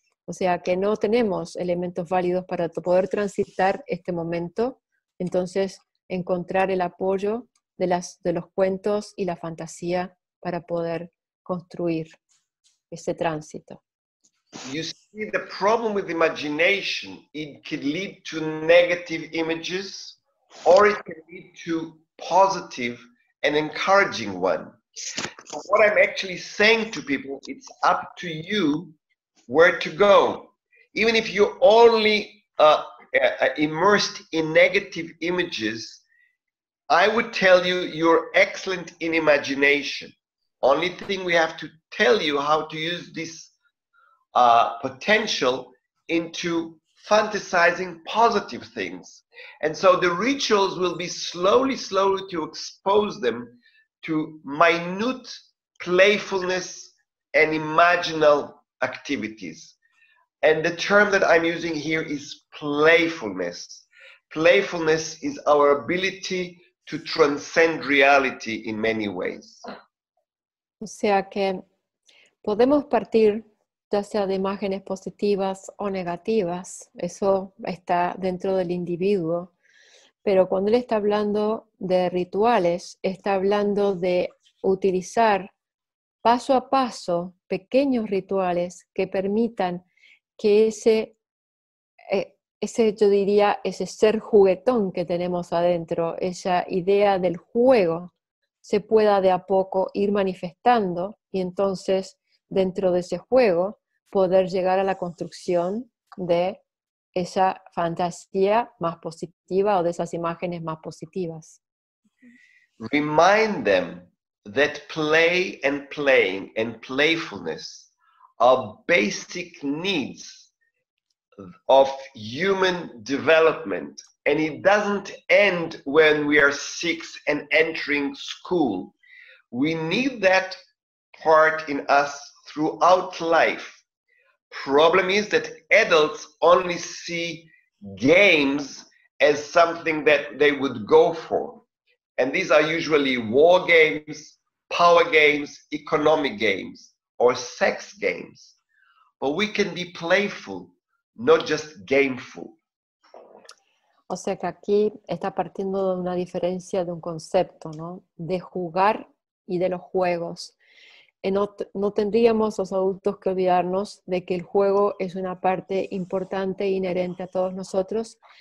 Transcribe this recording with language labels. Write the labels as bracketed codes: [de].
[es] O sea, que no tenemos elementos válidos para poder transitar este momento, entonces encontrar el apoyo de los cuentos y la fantasía para poder construir ese tránsito. [en] You see, the problem with imagination, it could lead to negative images, or it can lead to positive and encouraging one. So what I'm actually saying to people, it's up to you where to go. Even if you're only immersed in negative images, I would tell you, you're excellent in imagination. Only thing we have to tell you how to use this potential into fantasizing positive things. And so the rituals will be slowly, slowly to expose them to minute playfulness and imaginal activities. And the term that I'm using here is playfulness. Playfulness is our ability to transcend reality in many ways. [es] O sea que podemos partir ya sea de imágenes positivas o negativas, eso está dentro del individuo. Pero cuando él está hablando de rituales, está hablando de utilizar paso a paso pequeños rituales que permitan que ese ser juguetón que tenemos adentro, esa idea del juego, se pueda de a poco ir manifestando y entonces dentro de ese juego poder llegar a la construcción de esa fantasía más positiva o de esas imágenes más positivas. [en] Remind them that play and playing and playfulness are basic needs of human development, and it doesn't end when we are six and entering school. We need that part in us throughout life. Problem is that adults only see games as something that they would go for. And these are usually war games, power games, economic games, or sex games. But we can be playful, not just gameful. [es] O sea que aquí está partiendo de una diferencia de un concepto, ¿no? De jugar y de los juegos. No tendríamos los adultos que olvidarnos de que el juego es una parte importante e inherente a todos nosotros.